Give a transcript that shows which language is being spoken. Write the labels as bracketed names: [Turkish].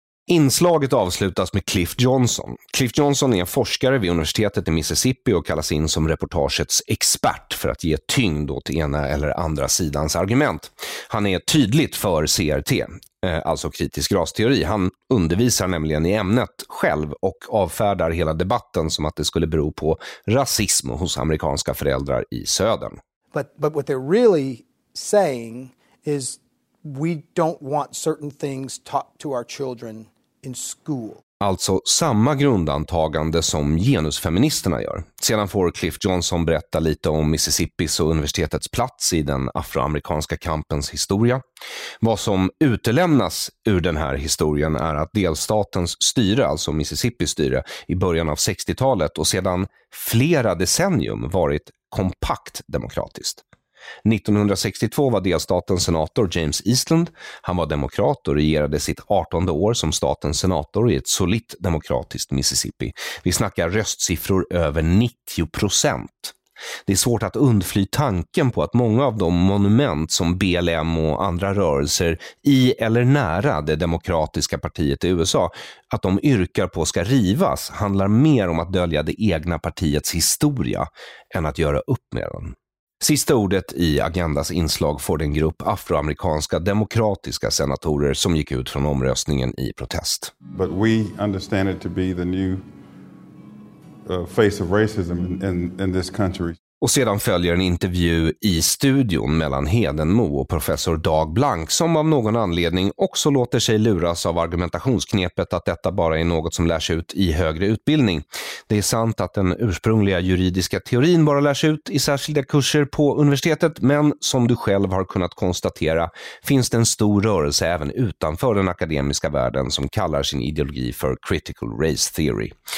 [Swedish] Inslaget avslutas med Cliff Johnson. Cliff Johnson är en forskare vid universitetet i Mississippi och kallas in som reportagets expert för att ge tyngd åt ena eller andra sidans argument. Han är tydligt för CRT, alltså kritisk rasteori. Han undervisar nämligen i ämnet själv och avfärdar hela debatten som att det skulle bero på rasism hos amerikanska föräldrar i södern. [English] But what they're really saying is we don't want certain things taught to our children in school. [Swedish] Alltså samma grundantagande som genusfeministerna gör. Sedan får Cliff Johnson berätta lite om Mississippis och universitetets plats i den afroamerikanska kampens historia. Vad som utelämnas ur den här historien är att delstatens styre, alltså Mississippis styre, i början av 60-talet och sedan flera decennium varit kompakt demokratiskt. 1962 var delstatens senator James Eastland. Han var demokrat och regerade sitt 18:e år som statens senator i ett solitt demokratiskt Mississippi. Vi snackar röstsiffror över 90%. Det är svårt att undfly tanken på att många av de monument som BLM och andra rörelser i eller nära det demokratiska partiet i USA att de yrkar på ska rivas handlar mer om att dölja det egna partiets historia än att göra upp med den. Sista ordet i Agendas inslag får den grupp afroamerikanska demokratiska senatorer som gick ut från omröstningen i protest. [English] But we understand it to be the new face of racism in this country. [Swedish] Och sedan följer en intervju i studion mellan Hedenmo och professor Dag Blank som av någon anledning också låter sig luras av argumentationsknepet att detta bara är något som lärs ut i högre utbildning. Det är sant att den ursprungliga juridiska teorin bara lärs ut i särskilda kurser på universitetet, men som du själv har kunnat konstatera finns det en stor rörelse även utanför den akademiska världen som kallar sin ideologi för critical race theory.